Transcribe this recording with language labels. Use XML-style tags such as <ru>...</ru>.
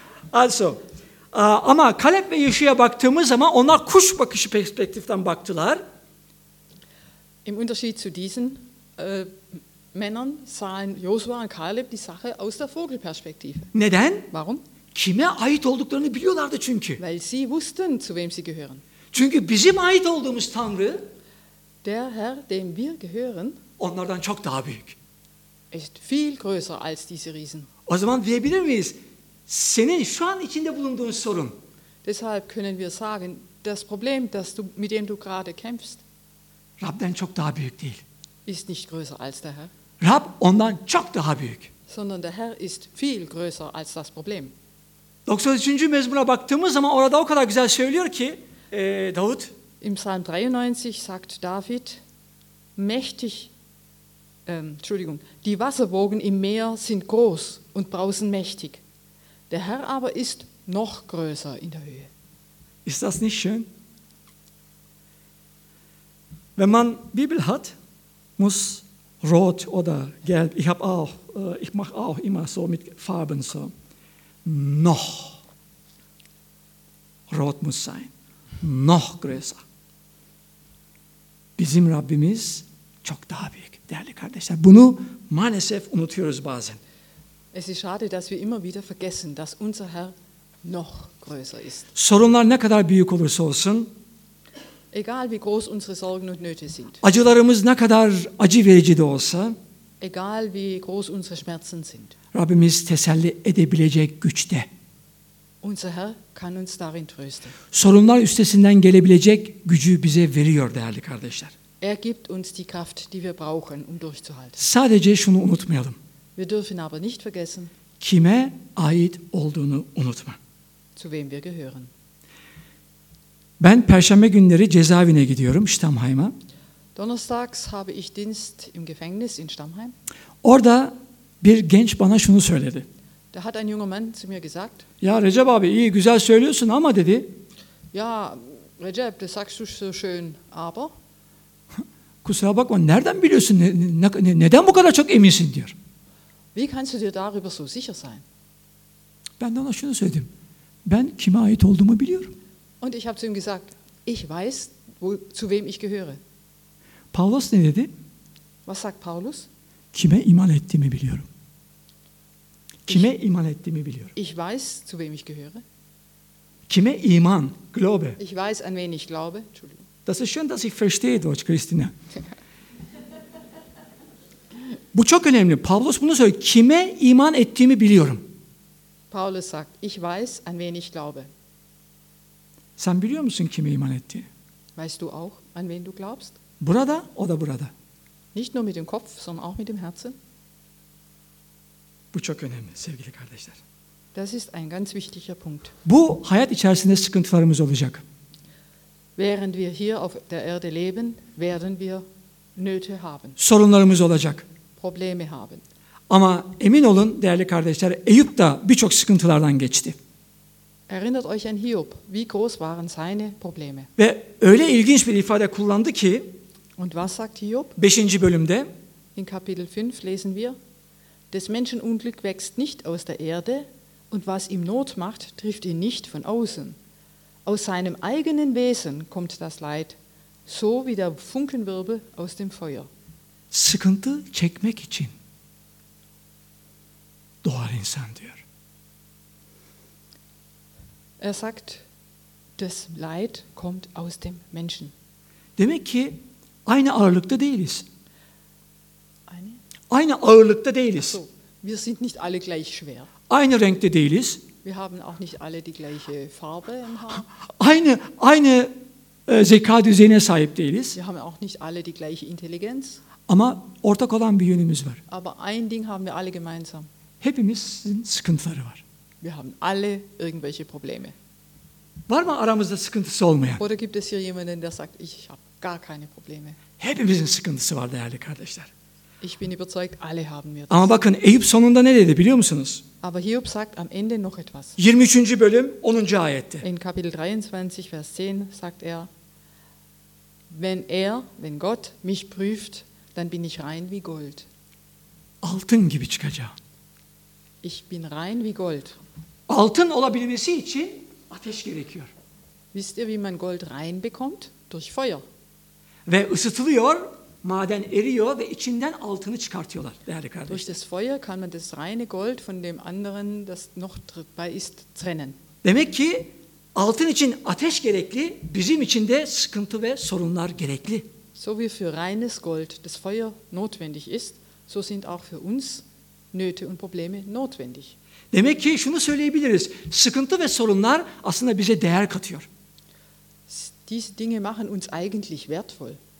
<tr>Also ama Kaleb ve Yeşu'ya baktığımız zaman onlar kuş bakışı perspektiften baktılar.</tr> <de>Im Unterschied zu diesen Männern sahen Josua und Kaleb die Sache aus der Vogelperspektive.</de> <tr>Neden?</tr> <de>Warum?</de> <tr>Kime ait olduklarını biliyorlardı çünkü.</tr> <de>Weil sie wussten, zu wem sie gehören.</de> <tr>Çünkü bizim ait olduğumuz Tanrı,</tr> <de>der Herr, dem wir gehören,</de> <tr>onlardan çok daha büyük.</tr> <de>Ist viel größer als diese Riesen.</de> <tr>O zaman diyebilir miyiz? Senin şu an içinde bulunduğun sorun.</tr> <de>Deshalb können wir sagen, das Problem, das du, mit dem du gerade kämpfst,</de> <tr>Rab'den çok daha büyük değil.</tr> <de>Ist nicht größer als der Herr.</de> <tr>Rab ondan çok daha büyük.</tr> <de>Sondern der Herr ist viel größer als das Problem.</de> <tr>93. mezmura baktığımız zaman orada o kadar güzel söylüyor ki Davut.</tr> <de>Im Psalm 93 sagt David, mächtig, Entschuldigung, die Wasserwogen im Meer sind groß und brausen mächtig. Der Herr aber ist noch größer in der Höhe. Ist das nicht schön? Wenn man Bibel hat, muss rot oder gelb, ich mache auch immer so mit Farben so. Noch rot muss sein. Noch größer.</de> <tr>Bizim Rabbimiz çok daha büyük. Değerli kardeşler, bunu maalesef unutuyoruz bazen.</tr> <de>Es ist schade, dass wir immer wieder vergessen, dass unser Herr noch größer ist.</de> <tr>Sorunlar ne kadar büyük olursa olsun,</tr> <de>egal wie groß unsere Sorgen und Nöte sind,</de> <tr>acılarımız ne kadar acı verici de olsa,</tr> <de>egal wie groß unsere Schmerzen sind,</de> <tr>Rabbimiz teselli edebilecek güçte.</tr> <de>Unser Herr kann uns darin trösten.</de> <tr>Sorunlar üstesinden gelebilecek gücü bize veriyor değerli kardeşler.</tr> <de>Er gibt uns die Kraft, die wir brauchen, um durchzuhalten.</de> <tr>Sadece şunu unutmayalım.</tr> <de>Wir dürfen aber nicht vergessen.</de> <tr>Kime ait olduğunu unutma.</tr> <de>Zu wem wir gehören.</de> <tr>Ben perşembe günleri cezaevine gidiyorum, Stammheim'a.</tr> <de>Donnerstags habe ich Dienst im Gefängnis in Stammheim.</de> <tr>Orada bir genç bana şunu söyledi.</tr> <de>Da hat ein junger Mann zu mir gesagt.</de> <tr>Ja, Recep abi, iyi güzel söylüyorsun ama dedi.</tr> <de>Ja, Recep, das sagst du so schön, aber.</de> <tr>Kusura bakma, nereden biliyorsun? Neden bu kadar çok eminsin diyor.</tr> <de>Wie kannst du dir darüber so sicher sein?</de> <tr>Ben de ona şunu söyledim. Ben kime ait olduğumu biliyorum.</tr> <de>Und ich habe zu ihm gesagt, ich weiß, zu wem ich gehöre.</de> <tr>Paulus ne dedi?</tr> <de>Was sagt Paulus?</de> <tr>Kime iman ettiğimi biliyorum. Kime iman ettiğimi biliyorum.</tr> <de>Ich weiß, zu wem ich gehöre.</de> <tr>Kime iman, glaube.</tr> <de>Ich weiß, an wen ich glaube. Entschuldigung. Das ist schön, dass ich verstehe Deutsch, Christina.</de> <tr>Bu çok önemli. Paulus bunu söylüyor. Kime iman ettiğimi biliyorum.</tr> <de>Paulus sagt, ich weiß, an wen ich glaube.</de> <tr>Sen biliyor musun kime iman ettiğini?</tr> <de>Weißt du auch, an wen du glaubst?</de> <tr>Burada, o da burada.</tr> <de>Nicht nur mit dem Kopf, sondern auch mit dem Herzen.</de> <tr>Bu çok önemli sevgili kardeşler.</tr> <de>Das ist ein ganz wichtiger Punkt.</de> <tr>Bu hayat içerisinde sıkıntılarımız olacak.</tr> <de>Während wir hier auf der Erde leben, werden wir Nöte haben.</de> <tr>Sorunlarımız olacak.</tr> <de>Probleme haben.</de> <tr>Ama emin olun değerli kardeşler, Eyüp da birçok sıkıntılardan geçti.</tr> <de>Erinnert euch an Hiob, wie groß waren seine Probleme?</de> <tr>Ve öyle ilginç bir ifade kullandı ki.</tr> <de>Und was sagt Hiob?</de> <tr>5. bölümde.</tr> <de>In Kapitel 5 lesen wir: Des Menschen Unglück wächst nicht aus der Erde, und was ihm Not macht, trifft ihn nicht von außen. Aus seinem eigenen Wesen kommt das Leid, so wie der Funkenwirbel aus dem Feuer.</de> <tr>Sıkıntı çekmek için doğar insan diyor.</tr> <de>Er sagt, das Leid kommt aus dem Menschen.</de> <tr>Demek ki aynı ağırlıkta değiliz. Aynı ağırlıkta değiliz.</tr> <de>So, wir sind nicht alle gleich schwer.</de> <tr>Aynı renkte değiliz.</tr> <de>Wir haben auch nicht alle die gleiche Farbe im Haar.</de> <tr>Aynı zeka düzeyine sahip değiliz.</tr> <de>Wir haben auch nicht alle die gleiche Intelligenz.</de> <tr>Ama ortak olan bir yönümüz var.</tr> <de>Aber ein Ding haben wir alle gemeinsam.</de> <tr>Hepimizin sıkıntıları var.</tr> <de>Wir haben alle irgendwelche Probleme.</de> <tr>Var mı aramızda sıkıntısı olmayan?</tr> <de>Oder gibt es hier jemanden, der sagt, ich habe gar keine Probleme?</de> <tr>Hepimizin sıkıntısı var değerli kardeşler.</tr> <de>Ich bin überzeugt, alle haben wir das.</de> <tr>Ama bakın Eyüp sonunda ne dedi biliyor musunuz?</tr> <de>Aber Hiob sagt am Ende noch etwas.</de> <tr>23. bölüm 10. ayette.</tr> <de>In Kapitel 23 Vers 10 sagt er: Wenn Gott mich prüft, dann bin ich rein wie Gold.</de> <tr>Altın gibi çıkacağım.</tr> <de>Ich bin rein wie Gold.</de> <tr>Altın olabilmesi için ateş gerekiyor.</tr> <de>Wisst ihr, wie man Gold rein bekommt? Durch Feuer.</de> <tr>Ve ısıtılıyor, maden eriyor ve içinden altını çıkartıyorlar değerli kardeşler.</tr> <de>Durch das Feuer kann man das reine Gold von dem anderen, das noch dabei ist, trennen.</de> <tr>Demek ki altın için ateş gerekli, bizim için de sıkıntı ve sorunlar gerekli.</tr> <de>So wie für reines Gold das Feuer notwendig ist, so sind auch für uns Nöte und Probleme notwendig.</de> <tr>Demek ki şunu söyleyebiliriz. Sıkıntı ve sorunlar aslında bize değer katıyor.</tr> <de>Diese Dinge machen uns eigentlich wertvoll.</de>